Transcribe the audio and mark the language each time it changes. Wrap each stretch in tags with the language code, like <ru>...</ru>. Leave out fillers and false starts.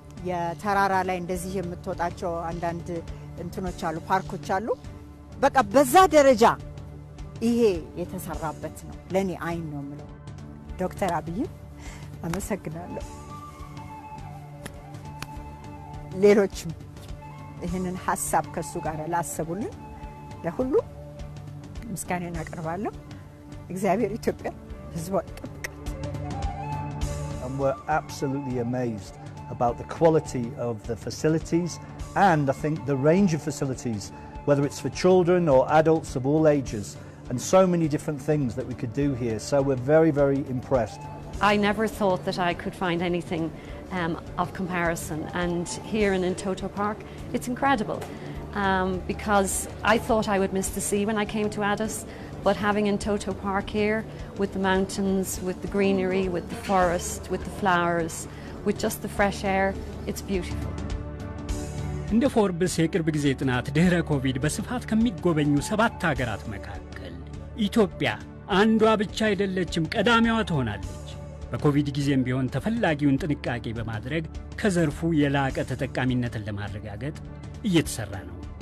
<am>የተራራ ላይ እንደዚህ የምትወጣቸው አንዳንድ እንትኖች አሉ ፓርኮች አሉ። በቃ በዛ ደረጃ ይሄ የተሰራበት ነው ለኔ አይን ነው ምለው። ዶክተር አብይ አመሰግናለሁ። ሌሎችም ይሄንን ሐሳብ ከሱ ጋር ላሰቡልኝ ለሁሉ ምስጋናዬን አቀርባለሁ። እግዚአብሔር ኢትዮጵያ</am> <en>And we're absolutely amazed about the quality of the facilities and I think the range of facilities, whether it's for children or adults of all ages, and so many different things that we could do here. So we're very, very impressed. I never thought that I could find anything of comparison, and here in ENTOTO Park it's incredible because I thought I would miss the sea when I came to Addis. But having ENTOTO Park here, with the mountains, with the greenery, with the forest, with the flowers, with just the fresh air, it's beautiful. In the Forbes</en> <am>የቅርብ ጊዜ ጥናት ድህረ ኮቪድ በስፋት ከሚጎበኙ ሰባት ሀገራት መካከል ኢትዮጵያ አንዷ ብቻ አይደለችም ቀዳሚዋ ትሆናለች። በኮቪድ ጊዜም ቢሆን ተፈላጊውን ጥንቃቄ በማድረግ ከዘርፉ የላቀ ተጠቃሚነትን ለማረጋገጥ እየተሰራ ነው።</am>